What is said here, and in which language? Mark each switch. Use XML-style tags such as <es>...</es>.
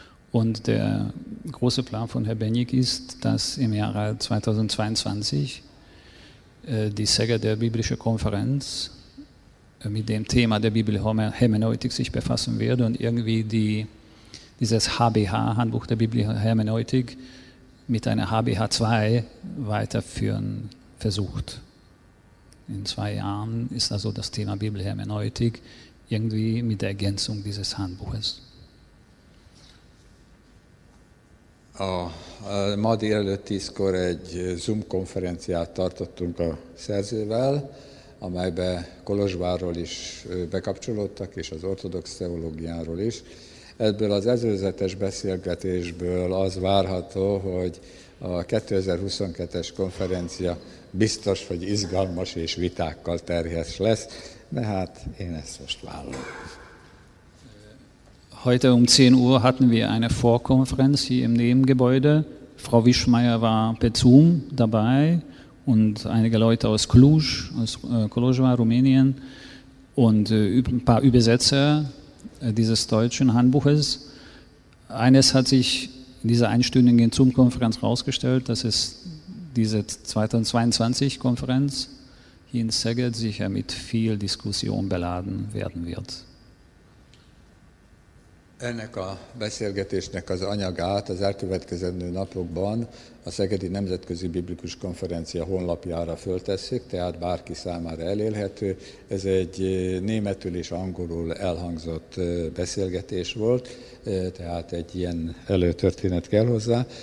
<de>Und der große Plan von Herrn Benyik ist, dass im Jahre 2022 die Szegeder Biblische Konferenz mit dem Thema der Bibelhermeneutik sich befassen werde und irgendwie dieses HBH, Handbuch der Bibelhermeneutik, mit einer HBH2 weiterführen versucht. In zwei Jahren ist also das Thema Bibelhermeneutik irgendwie mit der Ergänzung dieses Handbuches.</de> <hu>Ma délelőtt 10-kor egy Zoom-konferenciát tartottunk a szerzővel, amelybe Kolozsvárról is bekapcsolódtak, és az ortodox teológiáról is. Ebből az előzetes beszélgetésből az várható, hogy a 2022-es konferencia biztos, hogy izgalmas és vitákkal terhes lesz, de hát én ezt most vállalom.</hu> <de>Heute 10 Uhr hatten wir eine Vorkonferenz hier im Nebengebäude. Frau Wischmeyer war per Zoom dabei und einige Leute aus Cluj, aus Kolozsvár, Rumänien und ein paar Übersetzer dieses deutschen Handbuches. Eines hat sich in dieser einstündigen Zoom-Konferenz herausgestellt, dass es diese 2022-Konferenz hier in Szeged sicher mit viel Diskussion beladen werden wird.</de> <hu>Ennek a beszélgetésnek az anyagát az elkövetkezendő napokban a Szegedi Nemzetközi Biblikus Konferencia honlapjára föltesszük, tehát bárki számára elérhető. Ez egy németül és angolul elhangzott beszélgetés volt, tehát egy ilyen előtörténet kell hozzá.</hu>